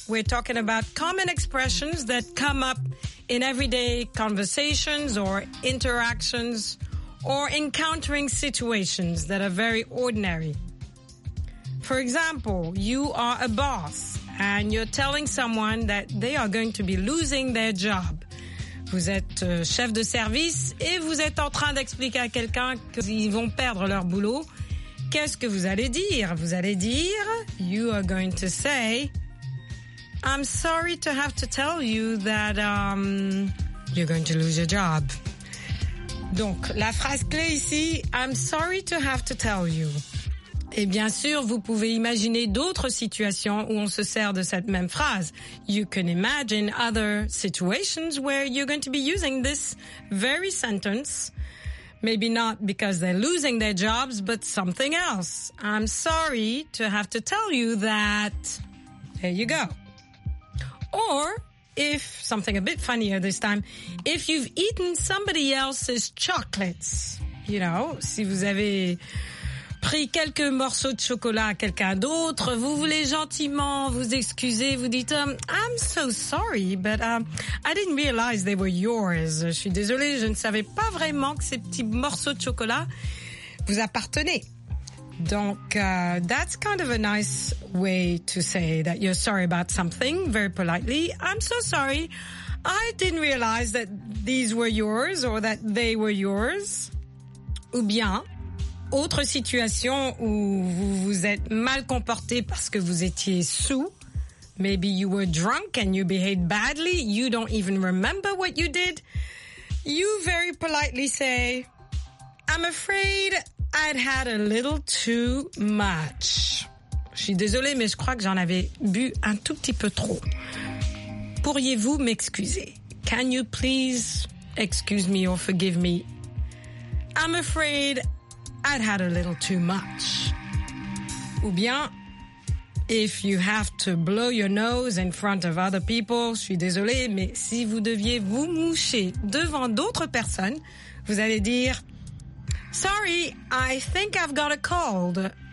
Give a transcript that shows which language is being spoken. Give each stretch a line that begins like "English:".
English: We're talking about common expressions that come up in everyday conversations or interactions or encountering situations that are very ordinary. For example, you are a boss and you're telling someone that they are going to be losing their job.
French: Vous êtes chef de service et vous êtes en train d'expliquer à quelqu'un qu'ils vont perdre leur boulot. Qu'est-ce que vous allez dire? Vous allez dire,
English: you are going to say, I'm sorry to have to tell you that you're going to lose your job.
French: Donc, la phrase clé ici,
English: I'm sorry to have to tell you.
French: Et bien sûr, vous pouvez imaginer d'autres situations où on se sert de cette même phrase.
English: You can imagine other situations where you're going to be using this very sentence. Maybe not because they're losing their jobs, but something else. I'm sorry to have to tell you that. There you go. Or, if something a bit funnier this time, if you've eaten somebody else's chocolates, you know,
French: si vous avez pris quelques morceaux de chocolat à quelqu'un d'autre, vous voulez gentiment vous excuser, vous dites
English: I'm so sorry, but I didn't realize they were yours.
French: Je suis désolée, je ne savais pas vraiment que ces petits morceaux de chocolat vous appartenaient.
English: Donc, that's kind of a nice way to say that you're sorry about something, very politely. I'm so sorry, I didn't realize that these were yours or that they were yours.
French: Ou bien, autre situation où vous vous êtes mal comporté parce que vous étiez sous.
English: Maybe you were drunk and you behaved badly. You don't even remember what you did. You very politely say, I'm afraid I'd had a little too much.
French: Je suis désolée, mais je crois que j'en avais bu un tout petit peu trop. Pourriez-vous m'excuser?
English: Can you please excuse me or forgive me? I'm afraid I'd had a little too much.
French: Ou bien,
English: if you have to blow your nose in front of other people,
French: je suis désolée, mais si vous deviez vous moucher devant d'autres personnes, vous allez dire,
English: sorry, I think I've got a cold.